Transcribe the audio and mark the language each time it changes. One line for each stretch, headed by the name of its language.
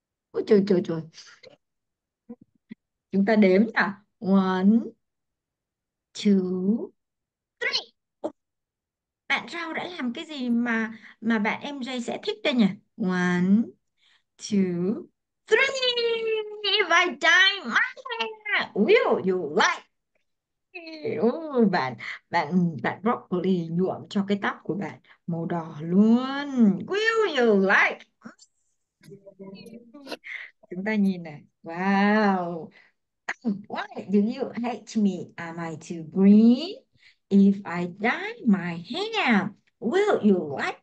Vietnamese: Ôi trời trời trời. Chúng ta đếm nào.
English: One, two,
Vietnamese: bạn Rau đã làm cái gì mà bạn MJ sẽ thích đây nhỉ?
English: One, two, three. If I dye my hair, will you like?
Vietnamese: Bạn bạn bạn broccoli nhuộm cho cái tóc của bạn màu đỏ luôn.
English: Will you like?
Vietnamese: Chúng ta nhìn này.
English: Wow. Why do you hate me? Am I too green? If I dye my hair, will you